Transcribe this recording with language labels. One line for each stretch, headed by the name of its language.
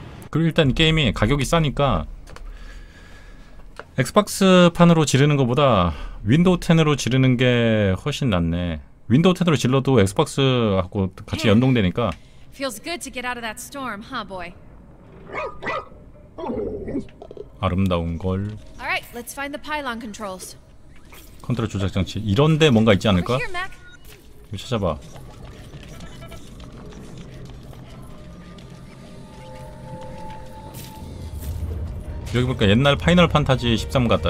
Korean: 그리고 일단 게임이 가격이 싸니까 엑스박스판으로 지르는 것보다 윈도우 10으로 지르는 게 훨씬 낫네. 윈도우 10으로 질러도 엑스박스하고 같이 연동되니까.
English: Feels good to get out of that storm, huh, boy?
Korean: 아름다운 걸.
English: All right, let's find the pylon controls.
Korean: 컨트롤 조작 장치. 이런데 뭔가 있지 않을까? 이거 찾아봐. 여기 보니까 옛날 파이널 판타지 13 같다.